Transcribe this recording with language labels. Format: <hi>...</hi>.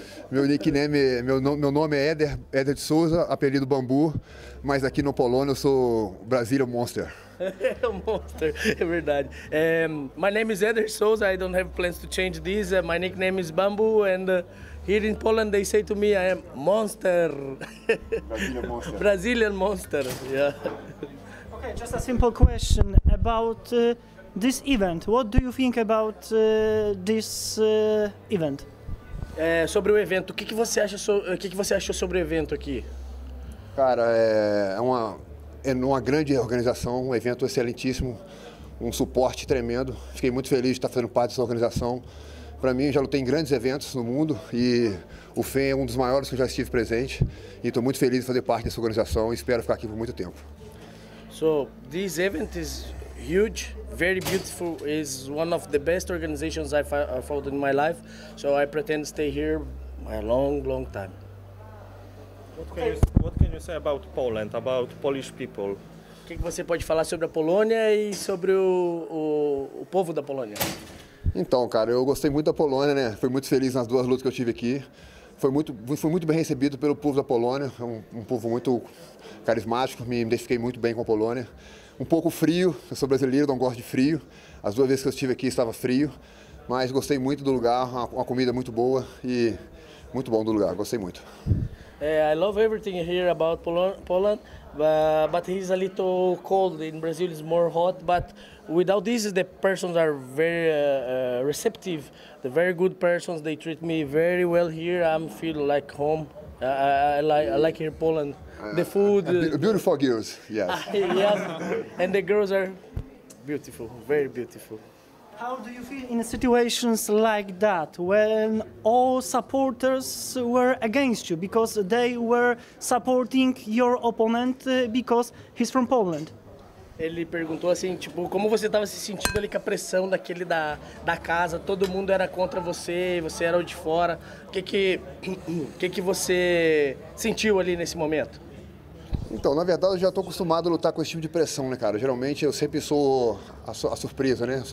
<pt>Meu nome é Éder de Souza, apelido Bambu, mas aqui no Polônia eu sou Brazilian Monster. Monster, é verdade.</pt> <en>My name is Éder Souza, I don't have plans to change this. My nickname is Bambu, and here in Poland they say to me I am Monster. Brazilian Monster. Brazilian Monster, yeah. Okay, just a simple question about this event. What do you think about this event?</en> <pt>Sobre o evento, o que você achou sobre o evento aqui? Cara, é uma grande organização, um evento excelentíssimo, um suporte tremendo. Fiquei muito feliz de estar fazendo parte dessa organização. Para mim, já lutei em grandes eventos no mundo e o FEN é um dos maiores que eu já estive presente. E estou muito feliz de fazer parte dessa organização e espero ficar aqui por muito tempo.</pt> <en>So, this event is huge, very beautiful, is one of the best organizations I've fought in my life, so I pretend to stay here a long, long time. What can you say about Poland, about Polish people?</en> <pt>O que você pode falar sobre a Polônia e sobre o povo da Polônia? Então, cara, eu gostei muito da Polônia, né? Fui muito feliz nas duas lutas que eu tive aqui. Fui muito bem recebido pelo povo da Polônia, é um povo muito carismático, me identifiquei muito bem com a Polônia. Um pouco frio, eu sou brasileiro, não gosto de frio. As duas vezes que eu estive aqui estava frio, mas gostei muito do lugar, uma comida muito boa e muito bom do lugar, gostei muito.</pt> <en>I love everything here about Poland, but it's a little cold. In Brazil it's more hot, but without this the persons are very receptive, the very good persons, they treat me very well here. I feel like home. I like here Poland. The food, beautiful girls, yes. Yes, and the girls are beautiful, very beautiful. How do you feel in situations like that, when all supporters were against you because they were supporting your opponent because he's from Poland?</en> <pt>Ele perguntou assim, tipo, como você estava se sentindo ali com a pressão daquele da casa, todo mundo era contra você, você era o de fora. O que você sentiu ali nesse momento? Então, na verdade, eu já estou acostumado a lutar com esse tipo de pressão, né, cara? Geralmente, eu sempre sou a surpresa, né?</pt>